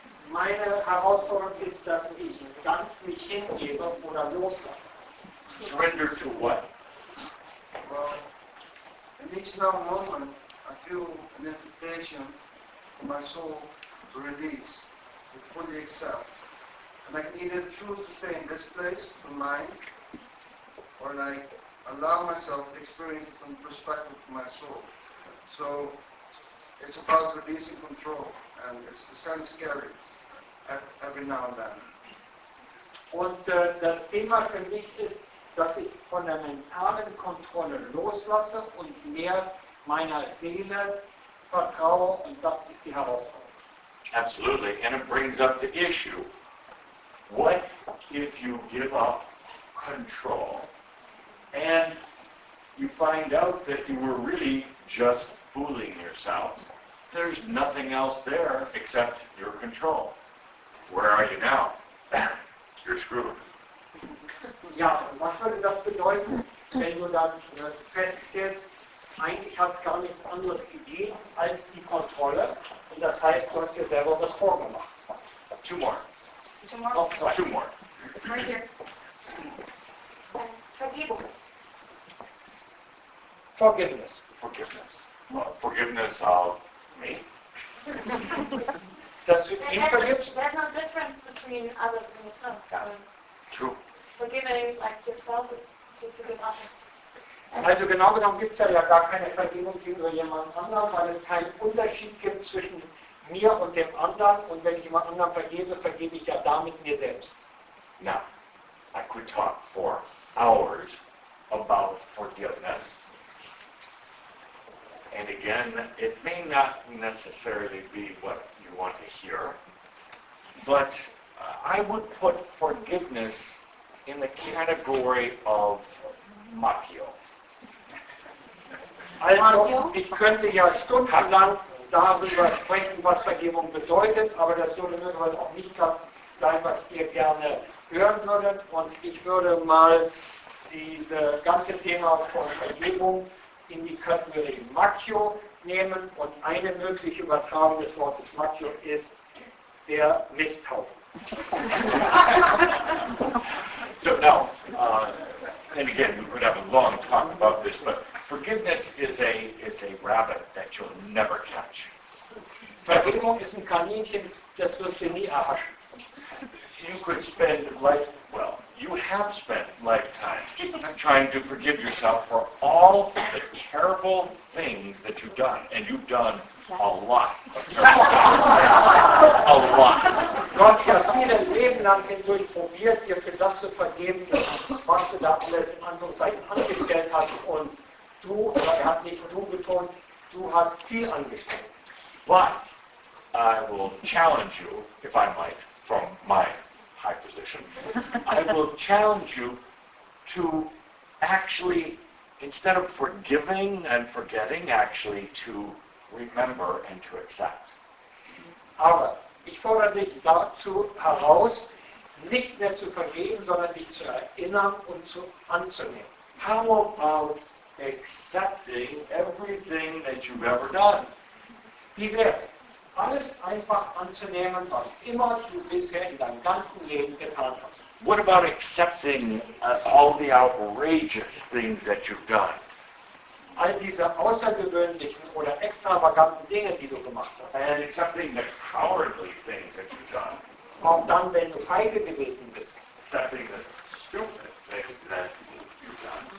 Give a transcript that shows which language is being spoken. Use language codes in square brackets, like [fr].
[de] Meine Herausforderung ist, dass ich ganz mich hingebe oder loslasse. [en] Surrender to what? Well, in each now moment, I feel an invitation for my soul to release, to fully accept. And I can either choose to stay in this place, the mind, or like allow myself to experience it from the perspective of my soul. So it's about releasing control, and it's kind of scary every now and then. [de] Und das Thema für mich ist, dass ich von der mentalen Kontrolle loslasse und mehr meiner Seele vertraue, und das ist die Herausforderung. [en] Absolutely, and it brings up the issue. What if you give up control and you find out that you were really just fooling yourself? There's nothing else there except your control. Where are you now? You're screwed. [de] Ja, was würde das bedeuten, wenn du dann feststellst, eigentlich hat es gar nichts anderes gegeben als die Kontrolle. Und das heißt, du hast dir selber was vorgemacht. [en] Two more. Two more? Oh, sorry. Two more. Right here. [de] Vergebung. [en] Forgiveness. Forgiveness. Forgiveness of me? [de] Dass du ihm vergibst? [en] There's no difference between others and yourself. [de] Ja. [en] True. Forgiving like yourself is to forgive others. [de] Also genau genommen gibt es ja gar keine Vergebung gegenüber jemand anderem, weil es keinen Unterschied gibt zwischen mir und dem anderen. Und wenn ich jemand anderem vergebe, vergebe ich ja damit mir selbst. [en] Now, I could talk for hours about forgiveness. And again, it may not necessarily be what you want to hear. But I would put forgiveness in the category of machio. [de] Also, ich könnte ja stundenlang darüber sprechen, was Vergebung bedeutet, aber das würde mir heute auch nicht das sein, was ihr gerne hören würdet. Und ich würde mal dieses ganze Thema von Vergebung in die Kategorie Machio nehmen. Und eine mögliche Übertragung des Wortes Machio ist der Misthaufen. [en] So now, and again, we could have a long talk about this, but forgiveness is a rabbit that you'll never catch. [de] Vergebung ist ein Kaninchen, das wirst du nie erhaschen. [en] You could spend life, well, you have spent lifetime trying to forgive yourself for all the terrible things that you've done, and you've done a lot of terrible things. A lot. [de] Du hast ja viele Leben lang hindurch probiert, dir für das zu vergeben, was du da alles in anderen Seiten angestellt hast, und du, aber er hat nicht du betont, du hast viel angestellt. [en] But I will challenge you, if I might, from my high position, I will challenge you to actually, instead of forgiving and forgetting, actually to remember and to accept. [de] Aber ich fordere dich dazu heraus, nicht mehr zu vergeben, sondern dich zu erinnern und zu anzunehmen. [en] How about accepting everything that you've ever done? [de] Wie wär's, alles einfach anzunehmen, was immer du bisher in deinem ganzen Leben getan hast? [en] What about accepting all the outrageous things that you've done? [de] All diese außergewöhnlichen oder extravaganten Dinge, die du gemacht hast. [en] And accepting the cowardly things that you've done. [de] Auch dann, wenn du feige gewesen bist. [en] Accepting the stupid things that you've done.